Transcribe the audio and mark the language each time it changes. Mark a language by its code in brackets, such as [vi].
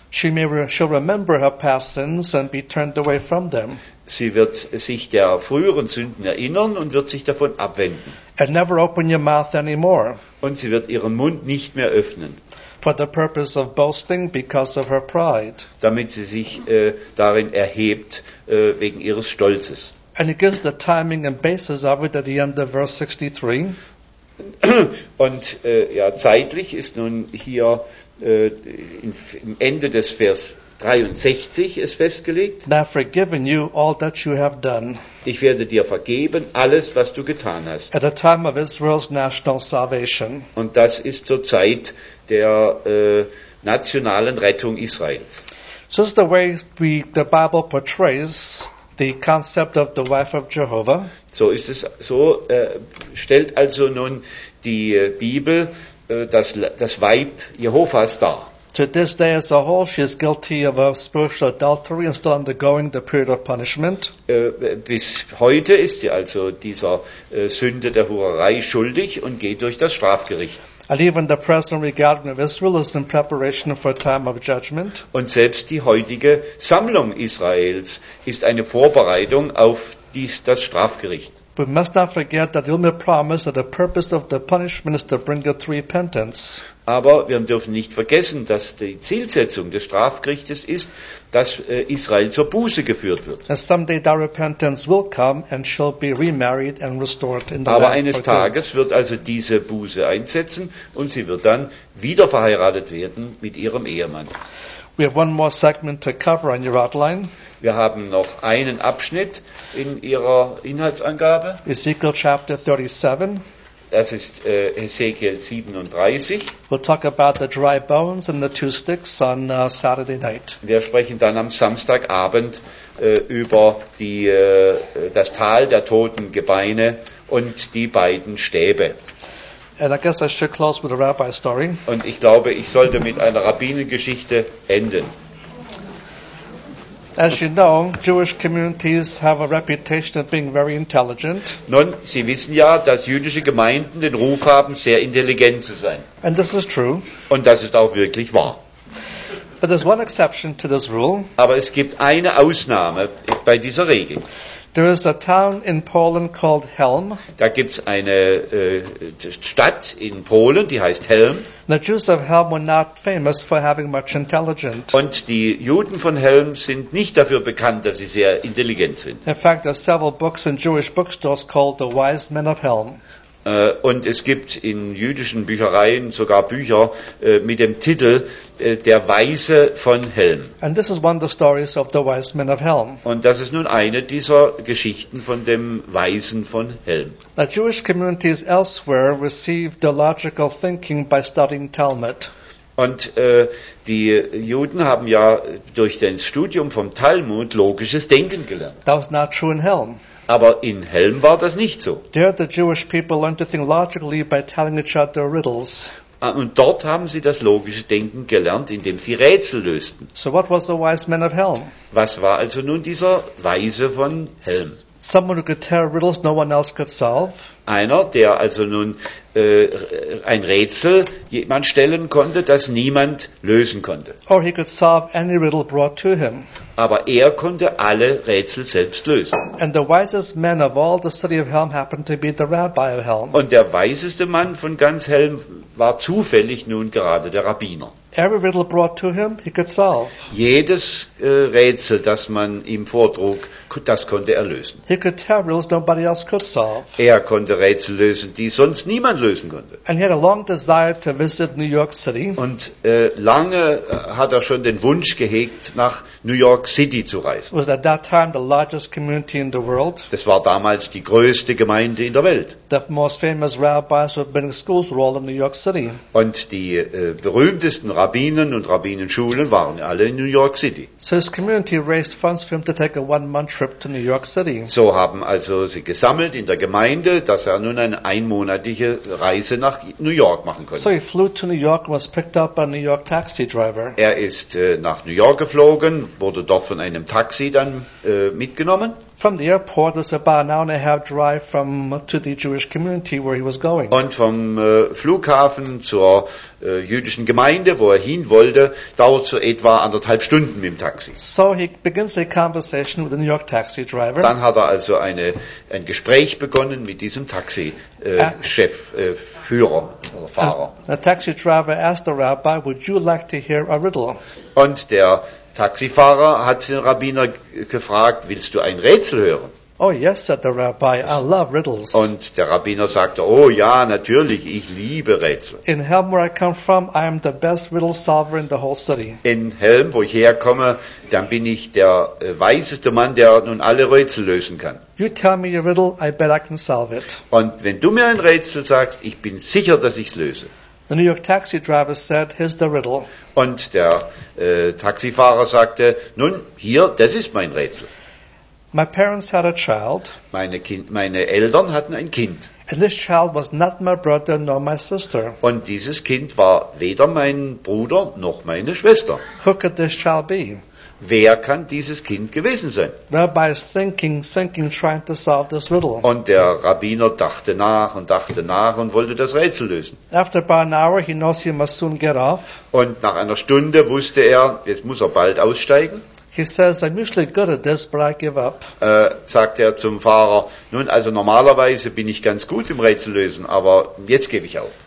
[en] She'll remember her past sins and be turned away from them. [de] Sie wird sich der früheren Sünden erinnern und wird sich davon abwenden. [en] And never open your mouth anymore. [de] Und sie wird ihren Mund nicht mehr öffnen. [en] For the purpose of boasting because of her pride. [de] Damit sie sich darin erhebt wegen ihres Stolzes. [en] And it gives the timing and basis of it at the end of verse 63. [de] Und ja, zeitlich ist nun hier im Ende des Vers 63 ist festgelegt. [en] Now forgiven you all that you have done. [de] Ich werde dir vergeben alles, was du getan hast. [en] At the time of Israel's national salvation. [de] Und das ist zur Zeit der nationalen Rettung Israels. [en] So is the way the Bible portrays the concept of the wife of Jehovah. [de] So ist es. So stellt also nun die Bibel das Weib Jehovas dar. [en] To this day as a whole, she is guilty of a spiritual adultery and still undergoing the period of punishment. [de] Bis heute ist sie also dieser Sünde der Hurerei schuldig und geht durch das Strafgericht. [en] And even the present regathering of Israel is in preparation for a time of judgment. [de] Und selbst die heutige Sammlung Israels ist eine Vorbereitung auf das Strafgericht. [en] But we must not forget that the ultimate promise that the purpose of the punishment is to bring her to repentance. [de] Aber wir dürfen nicht vergessen, dass die Zielsetzung des Strafgerichtes ist, dass Israel zur Buße geführt wird. [en] And someday that repentance will come and she'll be remarried and restored in the land. [de] Aber eines Tages wird also diese Buße einsetzen und sie wird dann wieder verheiratet werden mit ihrem Ehemann. [en] We have one more segment to cover on your outline. [de] Wir haben noch einen Abschnitt in Ihrer Inhaltsangabe. [en] Ezekiel chapter 37. [de] Das ist Ezekiel 37. [en] We'll talk about the dry bones and the two sticks on Saturday night. [de] Wir sprechen dann am Samstagabend über das Tal der toten Gebeine und die beiden Stäbe. [en] And I guess I should close with a rabbi story. [de] Und ich glaube, ich sollte mit einer Rabbinengeschichte enden. [en] As you know, Jewish communities have a reputation of being very intelligent. [de] Nun, Sie wissen ja, dass jüdische Gemeinden den Ruf haben, sehr intelligent zu sein. [en] And this is true. [de] Und das ist auch wirklich wahr. [en] But there's one exception to this rule. [de] Aber es gibt eine Ausnahme bei dieser Regel. [en] There is a town in Poland called Helm. [de] Da gibt's eine Stadt in Polen, die heißt Helm. [en] The Jews of Helm were not famous for having much intelligence. [de] Und die Juden von Helm sind nicht dafür bekannt, dass sie sehr intelligent sind. [en] In fact, there are several books in Jewish bookstores called The Wise Men of Helm. [de] Und es gibt in jüdischen Büchereien sogar Bücher mit dem Titel Der Weise von Helm. [en] And this is one of the stories of the wise men of Helm. [de] Und das ist nun eine dieser Geschichten von dem Weisen von Helm. [en] The Jewish communities elsewhere received the logical thinking by studying Talmud. [de] Und die Juden haben ja durch das Studium vom Talmud logisches Denken gelernt. [en] That was not true in Helm. [de] Aber in Helm war das nicht so. [en] There the Jewish people learned to think logically by telling each other riddles. [de] Und dort haben sie das logische Denken gelernt, indem sie Rätsel lösten. [en] So what was the wise man of Helm? [de] Was war also nun dieser Weise von Helm? [en] Someone who could tell riddles no one else could solve. [de] Einer, der also nun ein Rätsel jemand stellen konnte, das niemand lösen konnte. [en] Or he could solve any riddle brought to him. [de] Aber er konnte alle Rätsel selbst lösen. [en] And the wisest man of all the city of Helm happened to be the rabbi of Helm. [de] Und der weiseste Mann von ganz Helm war zufällig nun gerade der Rabbiner. [en] Every riddle brought to him, he could solve. [de] Jedes Rätsel, das man ihm vortrug, das konnte er lösen. [en] He could tell riddles nobody else could solve. [de] Er konnte Rätsel lösen, die sonst niemand lösen konnte. [en] And he had a long desire to visit New York City. [de] Und lange hat er schon den Wunsch gehegt, nach New York City zu reisen. [en] It was at that time the largest community in the world. [de] Das war damals die größte Gemeinde in der Welt. [en] The most famous rabbis were building schools were all in New York City. [de] Und die berühmtesten Rabbinen und Rabbinenschulen waren alle in New York City. [en] So his community raised funds for him to take a one-month trip to New York City. [de] So haben also sie gesammelt in der Gemeinde, dass dass er nun eine einmonatige Reise nach New York machen konnte. [en] So he flew to New York and was picked up by a New York taxi driver. [de] Er ist nach New York geflogen, wurde dort von einem Taxi dann mitgenommen. [en] From the airport, there's about an hour and a half drive from to the Jewish community where he was going. [de] Und vom Flughafen zur jüdischen Gemeinde, wo er hin wollte, dauert so etwa anderthalb Stunden mit dem Taxi. [en] So he begins a conversation with the New York taxi driver. [de] Dann hat er also ein Gespräch begonnen mit diesem Taxi Chef Führer oder Fahrer. [en] The taxi driver asked the rabbi, "Would you like to hear a riddle?" [de] Und der Taxifahrer hat den Rabbiner gefragt, willst du ein Rätsel hören? [en] Oh yes, said the rabbi, I love riddles. [de] Und der Rabbiner sagte, oh ja, natürlich, ich liebe Rätsel. [en] In Helm, where I come from, I am the best riddle solver in the whole city. [de] In Helm, wo ich herkomme, dann bin ich der weiseste Mann, der nun alle Rätsel lösen kann. [en] You tell me a riddle, I bet I can solve it. [de] Und wenn du mir ein Rätsel sagst, ich bin sicher, dass ich es löse. [en] The New York taxi driver said, "Here's the riddle." [de] Und der Taxifahrer sagte, nun, hier, das ist mein Rätsel. [en] My parents had a child. [de] Meine Eltern hatten ein Kind. [en] And this child was not my brother nor my sister. [de] Und dieses Kind war weder mein Bruder noch meine Schwester. [en] Who could this child be? [de] Wer kann dieses Kind gewesen sein? [en] Rabbi is thinking, trying to solve this riddle. [de] Und der Rabbiner dachte nach und wollte das Rätsel lösen. [en] After about an hour, he knows he must soon get off. [de] Und nach einer Stunde wusste er, jetzt muss er bald aussteigen. [en] He says, I'm usually good at this, but I give up. [de] Sagt er zum Fahrer, nun, also normalerweise bin ich ganz gut im Rätsel lösen, aber jetzt gebe ich auf.